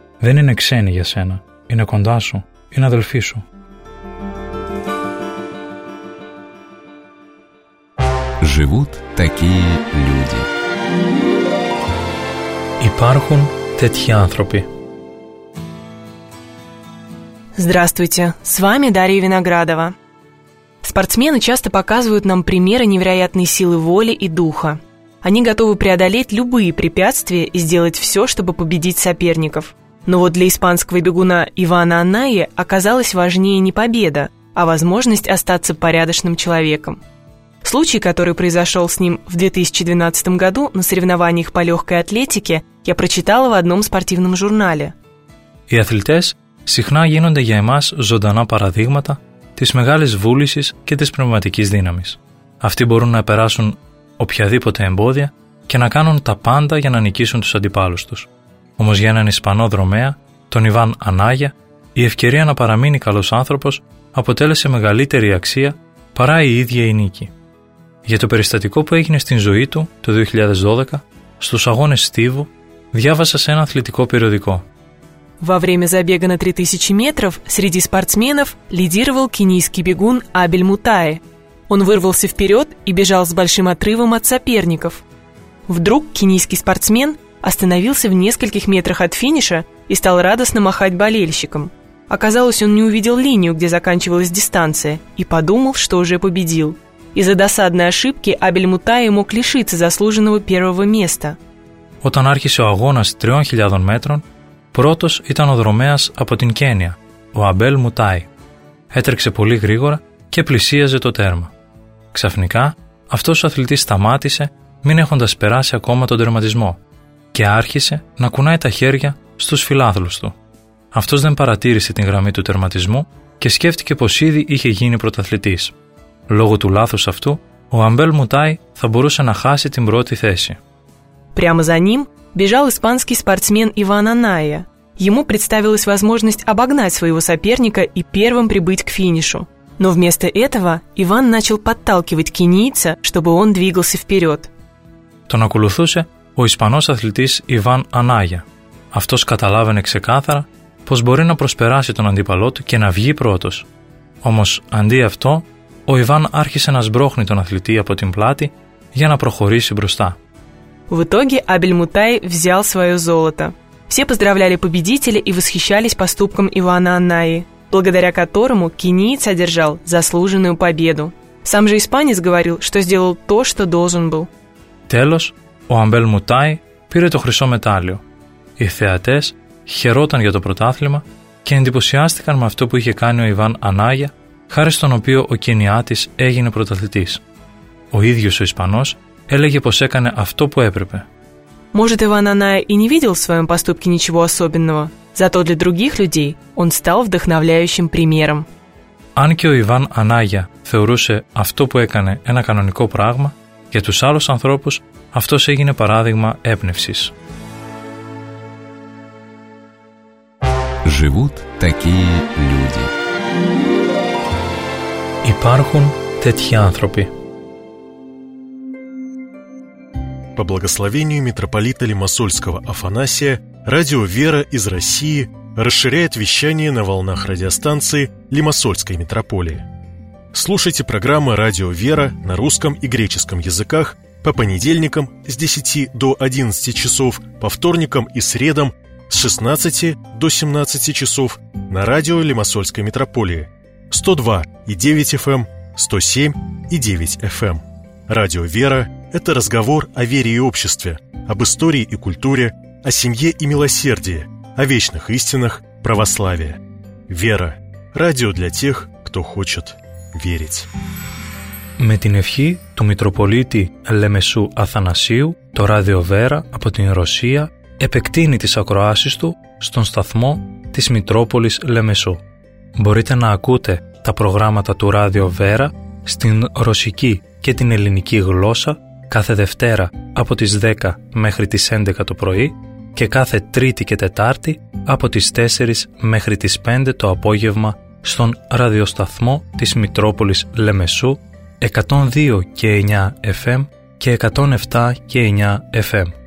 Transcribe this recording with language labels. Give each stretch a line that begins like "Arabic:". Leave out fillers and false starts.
Greek: Δεν είναι ξένοι για σένα. Είναι κοντά σου. Είναι αδελφοί σου.
Russian: Живут такие люди.
Greek: Υπάρχουν τέτοιοι άνθρωποι.
Russian: Здравствуйте, с вами Дарья Виноградова. Спортсмены часто показывают нам примеры невероятной силы воли и духа. Они готовы преодолеть любые препятствия и сделать все, чтобы победить соперников. Но вот для испанского бегуна Ивана Анаи оказалась важнее не победа, а возможность остаться порядочным человеком. Случай, который произошел с ним в 2012 году на соревнованиях по легкой атлетике, я прочитала в одном спортивном журнале.
Greek: Οι αθλητές συχνά γίνονται για εμάς ζωντανά παραδείγματα της μεγάλης βούλησης και της πνευματικής δύναμης. Αυτοί μπορούν να περάσουν οποιαδήποτε εμπόδια και να κάνουν τα πάντα για να νικήσουν τους αντιπάλους τους. Όμως για έναν Ισπανό δρομέα, τον Ιβάν Ανάγια, η ευκαιρία να παραμείνει καλός άνθρωπος αποτέλεσε μεγαλύτερη αξία παρά η ίδια η νίκη. Για το περιστατικό που έγινε στην ζωή του το 2012, στους αγώνες Στίβου, διάβασα σε ένα αθλητικό περιοδικό.
Russian: Во время забега на 3000 метров среди спортсменов лидировал кенийский бегун Абель Мутае. Он вырвался вперед и бежал с большим отрывом от соперников. Вдруг кенийский спортсмен остановился в нескольких метрах от финиша и стал радостно махать болельщикам. Оказалось, он не увидел линию, где заканчивалась дистанция, и подумал, что уже победил. Из-за досадной ошибки Абель Мутае мог лишиться заслуженного первого места.
Greek: Όταν άρχισε ο αγώνας 3000 μέτρων, πρώτος ήταν ο δρομέας από την Κένια, ο Αμπέλ Μουτάι. Έτρεξε πολύ γρήγορα και πλησίαζε το τέρμα. Ξαφνικά, αυτός ο αθλητής σταμάτησε, μην έχοντας περάσει ακόμα τον τερματισμό, και άρχισε να κουνάει τα χέρια στους φιλάθλους του. Αυτός δεν παρατήρησε την γραμμή του τερματισμού και σκέφτηκε πως ήδη είχε γίνει πρωταθλητής. Λόγω του λάθους αυτού, ο Αμπέλ Μουτάι θα μπορούσε να χάσει την πρώτη θέση.
Russian: Прямо за ним бежал испанский спортсмен Иван Анаи. Ему представилась возможность обогнать своего соперника и первым прибыть к финишу. Но вместо этого Иван начал подталкивать кенийца, чтобы он двигался вперед.
Greek: Τον ακολουθούσε ο Ισπανός αθλητής Иван Анаи. Αυτός καταλάβαινε ξεκάθαρα πως μπορεί να προσπεράσει τον αντίπαλό του και να βγει πρώτος. Όμως αντί αυτό, ο Иван άρχισε να σμπρώχνει τον αθλητή από την πλάτη για να προχωρήσει μπροστά.
Russian: В итоге Абель Мутай взял свое золото. Все поздравляли победителя и восхищались поступком Ивана Анаи, благодаря которому кенийец одержал заслуженную победу. Сам же испанец говорил, что сделал то, что должен был.
Greek: Τέλος, ο Αμπέλ Μουτάι πήρε το χρυσό μετάλλιο. Οι θεατές χαιρόταν για το πρωτάθλημα και εντυπωσιάστηκαν με αυτό που είχε κάνει ο Ιβάν Ανάγια, χάρη στον οποίο ο Κενιάτης έγινε πρωταθλητής. Ο ίδιος ο Ισπανός έλεγε πως έκανε αυτό που έπρεπε.
Russian: Может, Иван Аная и не видел в своем поступке ничего особенного, зато для других людей он стал вдохновляющим примером.
Greek: Αν και ο Ιβάν Ανάγια θεωρούσε αυτό που έκανε ένα κανονικό πράγμα, για τους άλλους ανθρώπους αυτός έγινε παράδειγμα έπνευσης.
Russian: Живут такие люди.
Greek: Υπάρχουν τέτοιοι άνθρωποι.
Russian: По благословению митрополита Лимассольского Афанасия, радио «Вера» из России расширяет вещание на волнах радиостанции Лимассольской митрополии. Слушайте программы «Радио «Вера» на русском и греческом языках по понедельникам с 10 до 11 часов, по вторникам и средам с 16 до 17 часов на радио Лимассольской митрополии 102.9 FM, 107.9 FM. Радио «Вера» – это разговор о вере и обществе, об истории и культуре, о семье и милосердии, о вечных истинах православия. «Вера» – радио для тех, кто хочет верить.
Greek: Με την ευχή του Μητροπολίτη Λεμεσού Αθανασίου, το Ράδιο Βέρα από την Ρωσία επεκτείνει τις ακροάσεις του στον σταθμό της Μητρόπολης Λεμεσού. Μπορείτε να ακούτε τα προγράμματα του Ράδιο Βέρα στην ρωσική και την ελληνική γλώσσα κάθε Δευτέρα από τις 10 μέχρι τις 11 το πρωί και κάθε Τρίτη και Τετάρτη από τις 4 μέχρι τις 5 το απόγευμα στον ραδιοσταθμό της Μητρόπολης Λεμεσού 102 και 9 FM και 107 και 9 FM.